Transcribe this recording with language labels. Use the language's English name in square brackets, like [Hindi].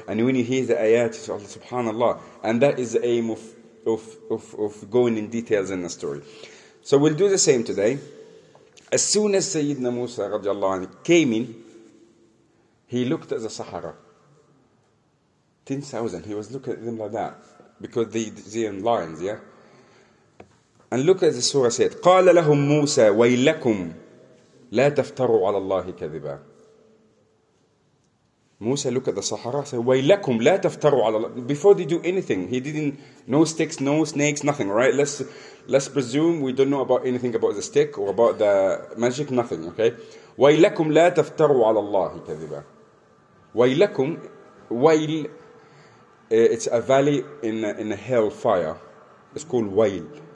[English] And when you hear the ayat, it's Allah, subhanAllah. And that is the aim of going in details in the story. So we'll do the same today. As soon as Sayyidina Musa radiallahu anhu came in, he looked at the Sahara. 10,000, he was looking at them like that. Because they're in lines, yeah? And look at the surah said, [Arabic] قَالَ لَهُمْ مُوسَى وَيْلَكُمْ لا تفتروا على الله كذبا. موسى [English] look at the Sahara, say, [Arabic] وَيْلَكُمْ لَا تَفْتَرُوا عَلَى اللَّهِ. [English] Before they do anything, he didn't, no sticks, no snakes, nothing, right? Let's presume we don't know about anything about the stick or about the magic, nothing, okay? [Arabic] وَيْلَكُمْ لَا تَفْتَرُوا عَلَى اللَّهِ كذبا. [English] وَيْلَكُمْ, وَيْل, it's a valley in a hell fire. It's called وَيْل.